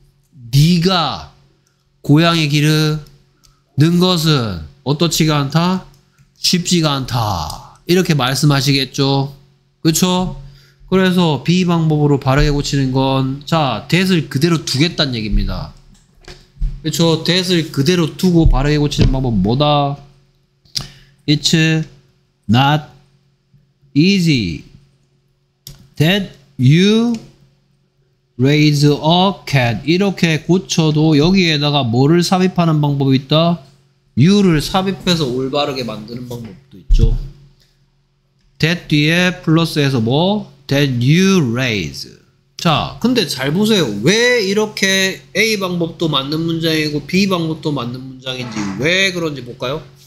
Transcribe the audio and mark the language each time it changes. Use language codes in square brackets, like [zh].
[ko] 네가 고양이 기르는 것은 어떻지가 않다? 쉽지가 않다. 이렇게 말씀하시겠죠. 그쵸? 그래서 B 방법으로 바르게 고치는 건 자, that을 그대로 두겠단 얘기입니다. 그쵸? that을 그대로 두고 바르게 고치는 방법은 뭐다? [en] It's not easy that you raise a cat. [ko] 이렇게 고쳐도 여기에다가 뭐를 삽입하는 방법이 있다? you를 삽입해서 올바르게 만드는 방법도 있죠. that 뒤에 플러스해서 뭐? that you raise. 자, 근데 잘 보세요. 왜 이렇게 A 방법도 맞는 문장이고 B 방법도 맞는 문장인지 왜 그런지 볼까요?